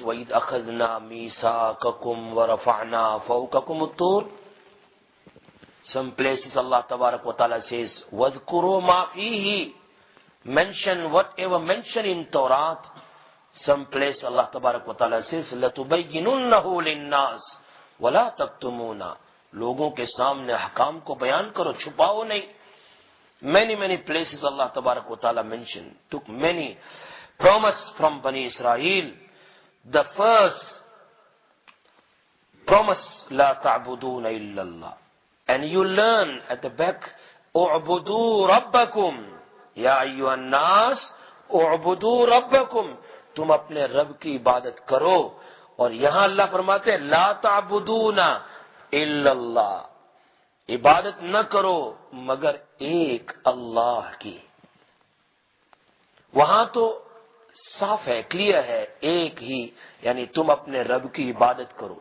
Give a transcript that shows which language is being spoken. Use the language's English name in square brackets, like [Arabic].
[Arabic] وَإِذْ أَخَذْنَا مِيثَاقَكُمْ وَرَفَعْنَا فَوْقَكُمْ الطُّورَ. [English] Some places Allah tabarak wa ta'ala says, [Arabic] وَذْكُرُوا مَا فِيهِ. [English] Mention whatever mention in Torah. Some place Allah tabarak wa ta'ala says, [Arabic] لَتُبَيِّنُنَّهُ لِلنَّاسِ وَلَا تَكْتُمُونَ. [Urdu] لوگوں کے سامنے احکام کو بیان کرو, چھپاؤ نہیں. [English] Many, many places Allah tabarak wa ta'ala mentioned, took many promise from Bani Israel. The first promise, [Arabic] لا تعبدون إلا الله. [English] And you learn at the back, [Arabic] اعبدوا ربكم. يا أيها الناس, اعبدوا ربكم. [Urdu] تم اپنے رب کی عبادت کرو. اور یہاں اللہ فرماتے ہیں, [Arabic] لا تعبدون إلا الله. [Urdu] عبادت نہ کرو مگر ایک اللہ کی. وہاں تو صاف ہے, کلیئر ہے, ایک ہی, یعنی تم اپنے رب کی عبادت کرو.